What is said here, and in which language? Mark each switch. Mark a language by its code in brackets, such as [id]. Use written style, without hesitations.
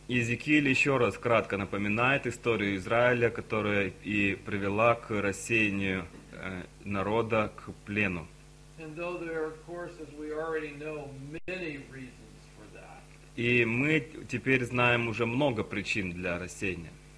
[ru] Иезекииль еще раз кратко напоминает историю Израиля, которая и привела к рассеянию народа, к плену. [en] And though there are, of course, as we already know, many reasons. [ru] И мы теперь знаем уже много причин для рассеяния.